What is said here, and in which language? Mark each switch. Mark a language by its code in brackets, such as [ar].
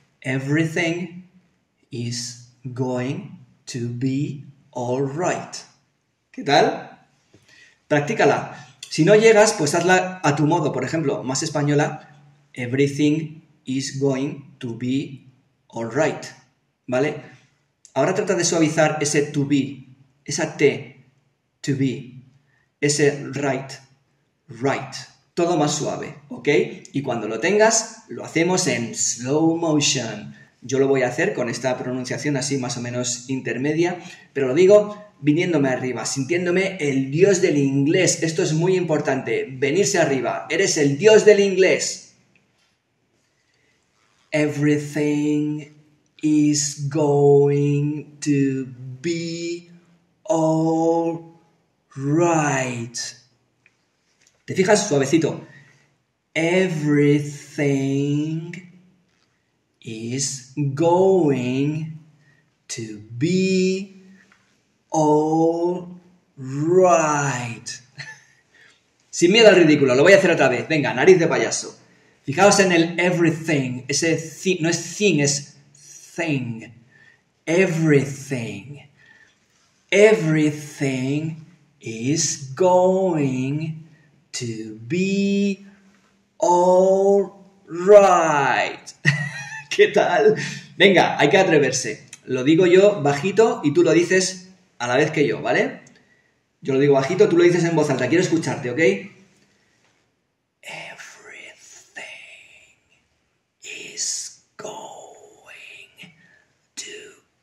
[en] Everything is going to be all right. [es] ¿Qué tal? Practícala. Si no llegas, pues hazla a tu modo. Por ejemplo, más española. [en] Everything is going to be all right. [es] ¿Vale? Ahora trata de suavizar ese to be. Esa T. To be. Ese right. Right. Todo más suave, ¿ok? Y cuando lo tengas, lo hacemos en slow motion. Yo lo voy a hacer con esta pronunciación así más o menos intermedia, pero lo digo viniéndome arriba, sintiéndome el dios del inglés. Esto es muy importante, venirse arriba. Eres el dios del inglés. [en] Everything is going to be all right. [es] ¿Te fijas? Suavecito. [en] Everything is going to be all right. [es] Sin miedo al ridículo, lo voy a hacer otra vez. Venga, nariz de payaso. Fijaos en el everything. Ese thing, no es thing, es thing. Everything. [en] Everything is going to be all right. [es] ¿Qué tal? Venga, hay que atreverse. Lo digo yo bajito y tú lo dices a la vez que yo, ¿vale? Yo lo digo bajito, tú lo dices en voz alta. Quiero escucharte, ¿ok? [en] Everything is going to